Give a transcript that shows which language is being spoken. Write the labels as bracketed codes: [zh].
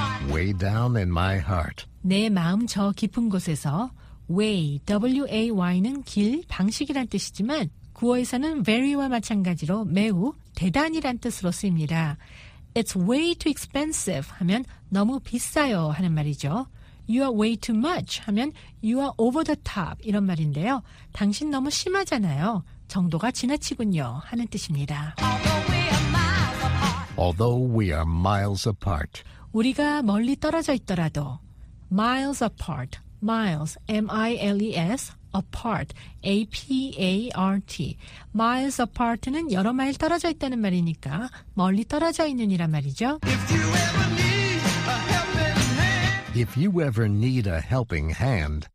[en] Way down in my heart. [ko] 내 마음 저 깊은 곳에서 way, W-A-Y는 길, 방식이란 뜻이지만 구어에서는 very와 마찬가지로 매우, 대단이란 뜻으로 쓰입니다. [en] It's way too expensive [ko] 하면 너무 비싸요 하는 말이죠. [en] You are way too much 하면 you are over the top [ko] 이런 말인데요. 당신 너무 심하잖아요. 정도가 지나치군요 하는 뜻입니다. [en] Although we are miles apart. [ko] 우리가 멀리 떨어져 있더라도 [en] miles apart. Miles, M-I-L-E-S, apart, A-P-A-R-T. [ko] Miles apart는 여러 마일 떨어져 있다는 말이니까 멀리 떨어져 있는 이란 말이죠. [en] If you ever need a helping hand. If you ever need a helping hand.